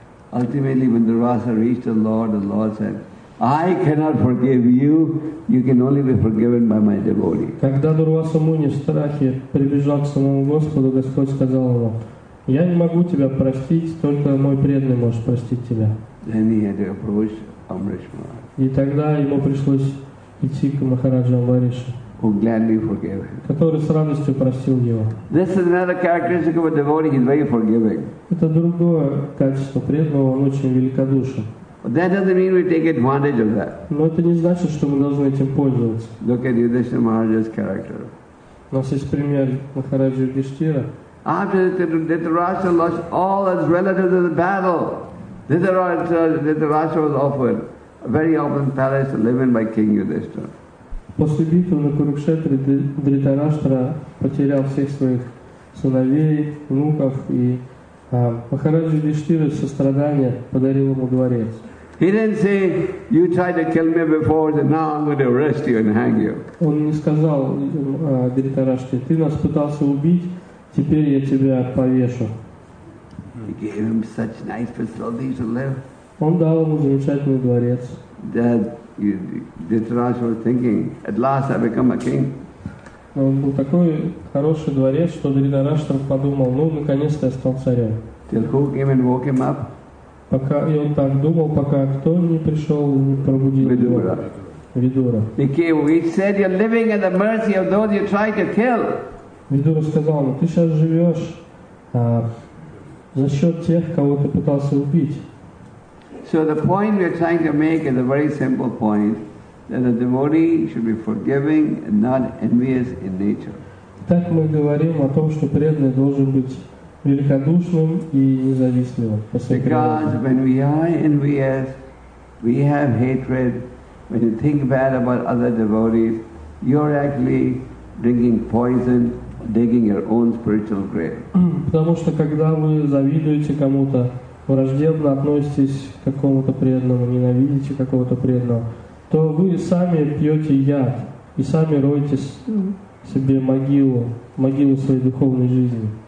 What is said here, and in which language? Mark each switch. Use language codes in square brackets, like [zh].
[en] Ultimately, when Durvasa reached the Lord said, I cannot forgive you, you can only be forgiven by my devotee. [ru] Когда Дурваса Муни в страхе прибежал к самому Господу, Господь сказал ему, я не могу тебя простить, только мой преданный может простить тебя. [en] Then he had to approach Amrish Maharaj. [ru] И тогда ему пришлось идти к Махараджу Амбаришу, [en] who gladly forgave him. [ru] Который с радостью простил его. [en] This is another characteristic of a devotee, he's very forgiving. [ru] Это другое качество преданного, он очень великодушен. [en] That doesn't mean we take advantage of that. [ru] Но это не значит, что мы должны этим пользоваться. [en] Look at Yudhishthira Maharaja's character. [ru] У нас есть пример Махараджи Юдхиштхира. [en] After Dhritarashtra lost all his relatives in the battle, Dhritarashtra was offered a very opulent palace to live in by King Yudhishthira. [ru] После битвы на Курукшетре Дхритараштра потерял всех своих сыновей, внуков, и Махараджа Юдхиштхира со страдания подарил ему дворец. [en] He didn't say, "You tried to kill me before, and now I'm going to arrest you and hang you." [ru] Он не сказал Дхритараштре, "Ты нас пытался убить, теперь я тебя повешу." [en] He gave him such nice facilities to live. [ru] Он дал ему замечательный дворец. [en] That Dhritarashtra was thinking, "At last, I become a king." [ru] Он был такой хороший дворец, что Дхритараштра подумал, "Ну, наконец-то я стал царем." [en] Till who came and woke him up? [ru] Пока, и он так думал, пока кто не пришел и не пробудил Видура. Видура. [en] He said, "You're living at the mercy of those you try to kill." [ru] Видура сказал ему, ты сейчас живешь за счет тех, кого ты пытался убить. [en] So the point we're trying to make is a very simple point, that a devotee should be forgiving and not envious in nature. [ru] Так мы говорим о том, что преданный должен быть великодушным и независтливым. [en] Because when we are envious, we have hatred. When you think bad about other devotees, you're actually drinking poison, digging your own spiritual grave. [ru] Потому что когда вы завидуете кому-то, враждебно относитесь к какому-то преданному, ненавидите какого-то преданного, то вы сами пьете яд и сами роете себе могилу, могилу своей духовной жизни.